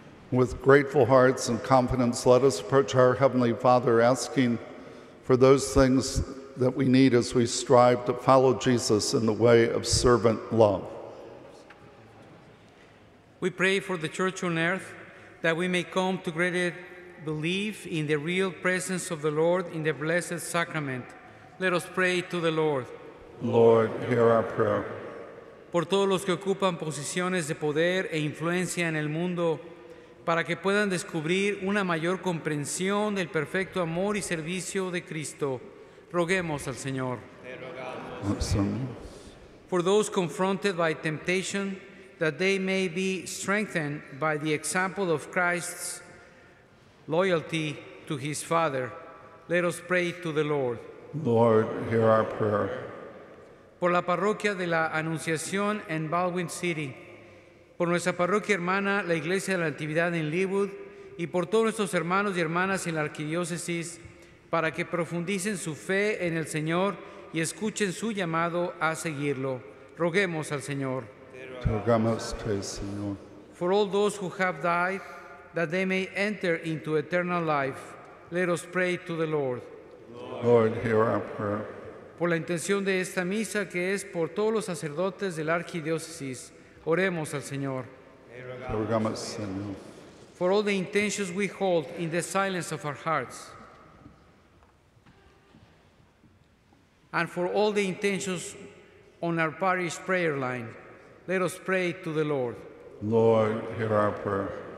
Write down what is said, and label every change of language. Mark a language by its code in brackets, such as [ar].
[en] With grateful hearts and confidence, let us approach our Heavenly Father, asking for those things that we need as we strive to follow Jesus in the way of servant love. We pray for the church on earth, that we may come to greater belief in the real presence of the Lord in the Blessed Sacrament. Let us pray to the Lord. Lord, hear our prayer. [es] Por todos los que ocupan posiciones de poder e influencia en el mundo, para que puedan descubrir una mayor comprensión del perfecto amor y servicio de Cristo, roguemos al Señor. [en] Awesome. For those confronted by temptation, that they may be strengthened by the example of Christ's loyalty to his Father, let us pray to the Lord. Lord, hear our prayer. [es] Por la parroquia de la Anunciación en Baldwin City, por nuestra parroquia hermana, la Iglesia de la Natividad en Leawood, y por todos nuestros hermanos y hermanas en la arquidiócesis, para que profundicen su fe en el Señor y escuchen su llamado a seguirlo. Roguemos al Señor. Rogamos al Señor. [en] For all those who have died, that they may enter into eternal life, let us pray to the Lord. Lord, hear our prayer. [es] Por la intención de esta misa, que es por todos los sacerdotes de la arquidiócesis, oremos al Señor. Rogamos, Señor. [en] For all the intentions we hold in the silence of our hearts, and for all the intentions on our parish prayer line, let us pray to the Lord. Lord, hear our prayer.